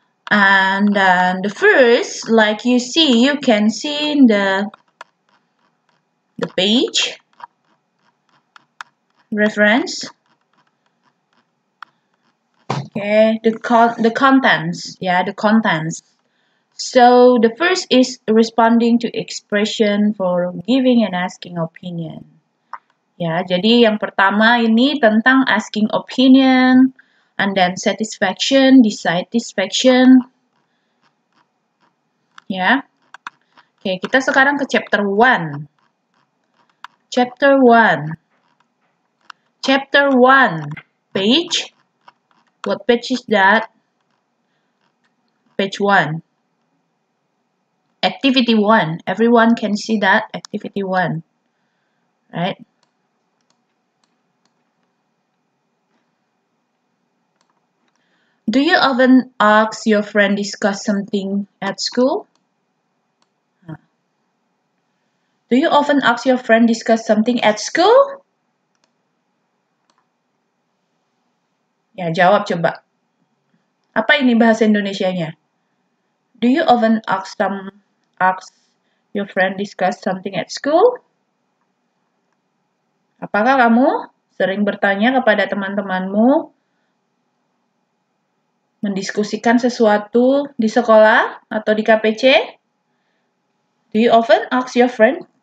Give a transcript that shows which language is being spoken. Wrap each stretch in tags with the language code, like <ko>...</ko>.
<en>And then the first, like you see, you can see in the page reference. Okay, the contents, yeah, the contents. So the first is responding to expression for giving and asking opinion.</en> <id>Yeah, jadi yang pertama ini tentang</id> <en>asking opinion. And then satisfaction, dissatisfaction.</en> <id>Ya. Oke, kita sekarang ke chapter 1.</id> <en>Chapter 1. Chapter 1. Page. What page is that? Page 1. Activity 1. Everyone can see that? Activity 1. Right? Do you often ask your friend discuss something at school? Do you often ask your friend discuss something at school?</en> <id>Ya, jawab coba. Apa ini bahasa Indonesianya?</id> <en>Do you often ask your friend discuss something at school?</en> <id>Apakah kamu sering bertanya kepada teman-temanmu Mendiskusikan sesuatu di sekolah atau di KPC?</id> <en>Do you often ask your friend?</en>